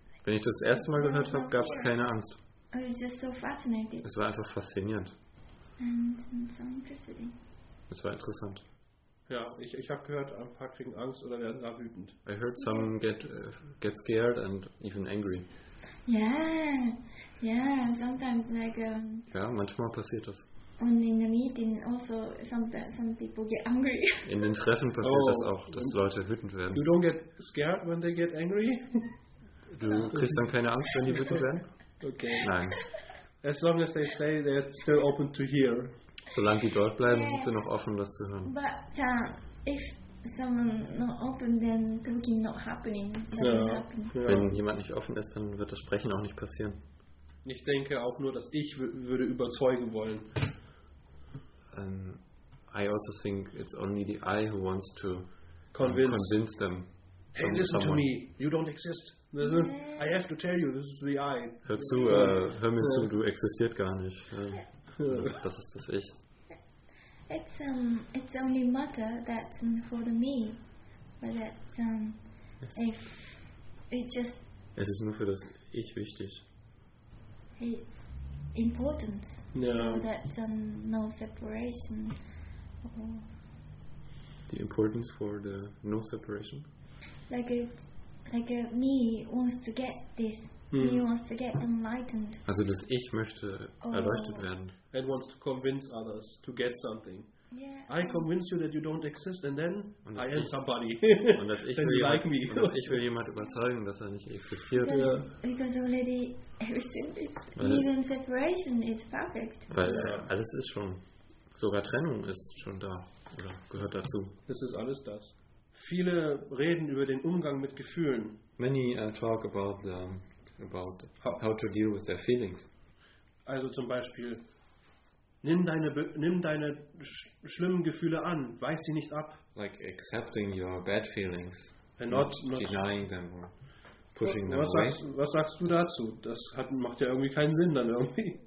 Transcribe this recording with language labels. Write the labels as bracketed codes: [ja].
[de] Wenn ich das erste Mal gehört habe, gab es keine Angst. [en] It was just so fascinating. [de] Es war einfach faszinierend. [en] And so interesting. [de] Es war interessant. Ja, ich habe gehört, ein paar kriegen Angst oder werden da wütend. [en] I heard some get scared and even angry. Yeah, sometimes like. [de] Ja, manchmal passiert das. [en] And in the meeting also some people get angry. [de] In den Treffen passiert das auch, dass Leute wütend werden. [en] You don't get scared when they get angry? [de] Du kriegst dann keine Angst, wenn die wütend werden? [en] Okay. [de] Nein. [en] As long as they stay, they're still open to hear. [de] Solange die dort bleiben, sind sie noch offen, das zu hören. [en] But if someone not open, then talking not happening. [de] Wenn jemand nicht offen ist, dann wird das Sprechen auch nicht passieren. Ich denke auch nur, dass ich würde überzeugen wollen. [en] I also think it's only the I who wants to convince them. Hey, listen to me. You don't exist. I have to tell you, this is the I. [de] Hör mir zu, du existiert gar nicht. Das ist das Ich. [en] It's only matter that for the me, but that if it's just. [de] Es ist nur für das Ich wichtig. [en] It's important no separation. The importance for the no separation. Like me wants to get this. Me wants to get enlightened. [de] Also das Ich möchte erleuchtet werden. [en] And wants to convince others to get something. Yeah. I convince you that you don't exist, and then I am somebody. [de] Und das Ich will [en] like me. [de] Und das Ich will jemand überzeugen, dass nicht existiert. [en] Because already everything is even separation is perfect. [de] Weil alles ist schon, sogar Trennung ist schon da oder gehört dazu. Das ist alles das. Viele reden über den Umgang mit Gefühlen. [en] Many talk about how to deal with their feelings. [de] Also zum Beispiel. Nimm deine schlimmen Gefühle an, weiß sie nicht ab. [en] Like accepting your bad feelings, and not denying them or pushing them away. [de] Was sagst du dazu? Das macht ja irgendwie keinen Sinn dann irgendwie.